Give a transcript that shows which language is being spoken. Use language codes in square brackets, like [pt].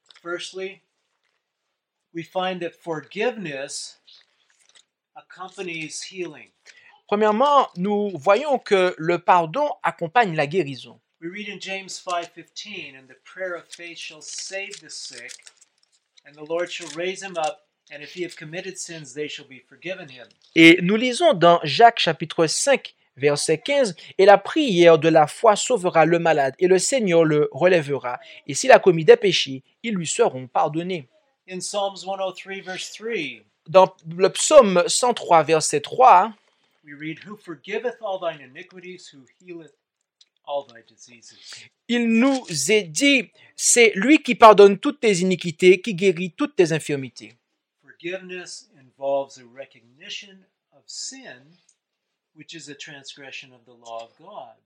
[en] Firstly, we find that forgiveness accompanies healing. [fr] Premièrement, nous voyons que le pardon accompagne la guérison. [en] We read in James 5:15, and the prayer of faith shall save the sick, and the Lord shall raise him up. And if he have committed sins, they shall be forgiven him. [fr] Et nous lisons dans Jacques chapitre 5, verset 15, « Et la prière de la foi sauvera le malade, et le Seigneur le relèvera. Et s'il a commis des péchés, ils lui seront pardonnés. » [en] In Psalms 103, verse 3, [fr] dans le psaume 103, verset 3, [en] we read, « Who forgiveth all thine iniquities, who healeth all thy diseases. » [fr] Il nous est dit, « C'est lui qui pardonne toutes tes iniquités, qui guérit toutes tes infirmités. » [en] Forgiveness involves a recognition of sin, which is a transgression of the law of God.